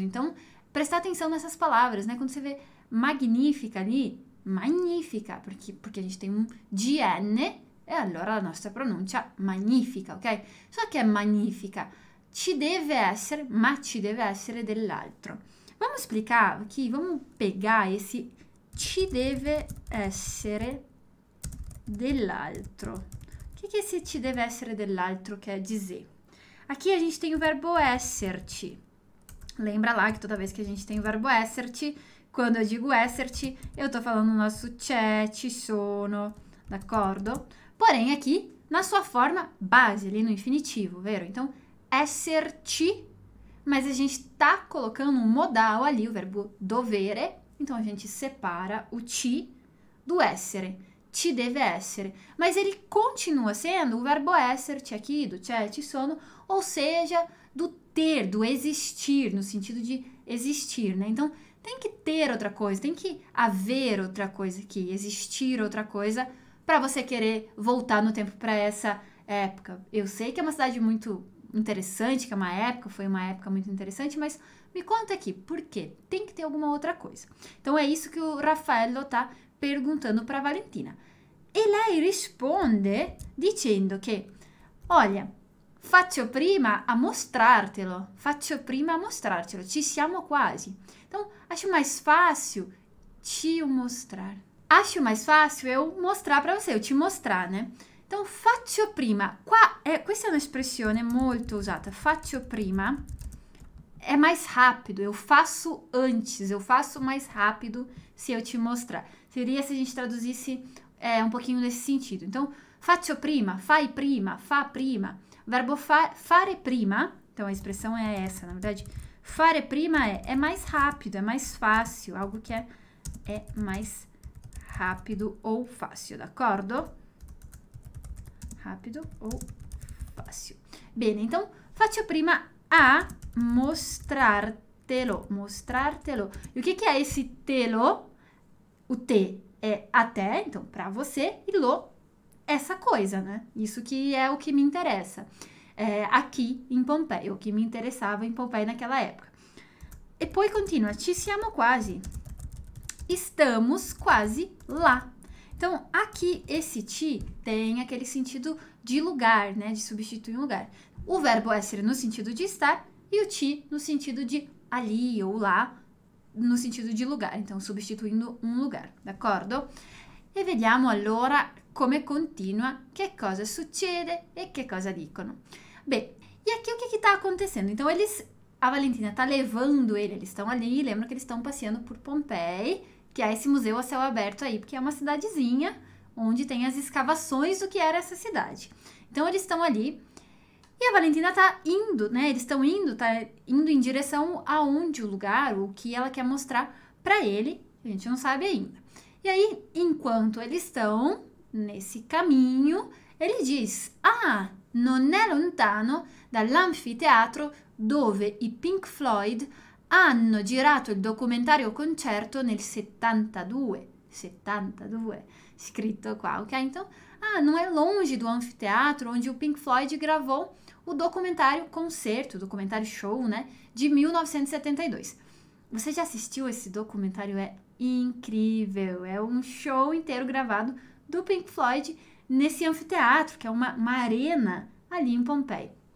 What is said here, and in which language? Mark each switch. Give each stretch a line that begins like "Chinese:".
Portuguese: Então, prestar atenção nessas palavras, né? Quando você vê magnífica ali, magnífica, porque a gente tem um DN, e allora a nossa pronúncia magnífica, ok? Só que é magnífica,
Italian: ci deve essere, ma ci deve essere dell'altro.
Portuguese: Vamos explicar aqui, vamos pegar esse
Italian: ci deve essere dell'altro. Che se ci deve essere dell'altro che è dizer?
Portuguese: Aqui a gente tem o verbo esserci. Lembra lá que toda vez que a gente tem o verbo esserci, quando eu digo esserci, eu tô falando nosso c'è, ci sono, d'accordo? Porém, aqui, na sua forma base, ali no infinitivo, vero? Então, esserci, mas a gente tá colocando um modal ali, o verbo dovere, então a gente separa o ci do essere.
Italian: Ci deve essere,
Portuguese: mas ele continua sendo o verbo esserci aqui, do c'è, ci sono, ou seja, do ter, do existir, no sentido de existir, né? Então, tem que ter outra coisa, tem que haver outra coisa aqui, existir outra coisa, para você querer voltar no tempo para essa época. Eu sei que é uma cidade muito interessante, que é uma época, foi uma época muito interessante, mas me conta aqui, por quê? Tem que ter alguma outra coisa. Então, é isso que o Raffaello tá perguntando para Valentina.
Italian: E lei risponde dicendo che, olha, faccio prima a mostrartelo, faccio prima a mostrartelo, ci siamo quasi.
Portuguese: Então, acho mais fácil te mostrar. Acho mais fácil eu mostrar para você, eu te mostrar, né? Então, faccio prima, qua é,
Italian: questa è un'espressione molto usata,
Portuguese: faccio prima, é mais rápido, eu faço antes, eu faço mais rápido se eu te mostrar. Seria se a gente traduzisse um pouquinho nesse sentido. Então, faccio prima, fai prima, fa prima. O verbo fare prima, então a expressão é essa, na verdade. Fare prima é mais rápido, é mais fácil, algo que é mais rápido ou fácil, d'accordo? Rápido ou fácil. Bene, então,
Italian: faccio prima a mostrartelo,
Portuguese: mostrartelo. E o que é esse telo? O te é até, então, para você, e lo, essa coisa, né? Isso que é o que me interessa aqui em Pompeia, o que me interessava em Pompeia naquela época.
Italian: E poi continua, ci siamo quasi.
Portuguese: Estamos quase lá. Então, aqui, esse ti tem aquele sentido de lugar, né? De substituir um lugar. O verbo essere no sentido de estar e o ti no sentido de ali ou lá, no sentido di lugar, então substituindo un lugar, d'accordo?
Italian: E vediamo allora come continua, che cosa succede e che cosa dicono.
Portuguese: Beh, e aqui o che sta acontecendo? Então eles, a Valentina sta levando ele, eles estão ali, lembra che eles estão passeando por Pompei, che è esse museu a céu aberto aí, perché è una cidadezinha onde tem as escavações do che era essa cidade. Então eles estão ali. E a Valentina tá indo, né? Eles estão indo, tá indo em direção aonde o lugar, o que ela quer mostrar para ele, a gente não sabe ainda. E aí, enquanto eles estão nesse caminho, ele diz:
Italian: "Ah, non è lontano dall'anfiteatro dove i Pink Floyd hanno girato il documentario concerto nel 72. 72, scritto qua, ok?
Portuguese: Então, ah, non è longe do anfiteatro onde o Pink Floyd gravou o documentário concerto, o documentário show, né, de 1972. Você já assistiu esse documentário? É incrível, é um show inteiro gravado do Pink Floyd nesse anfiteatro, que é uma arena ali em Pompeia.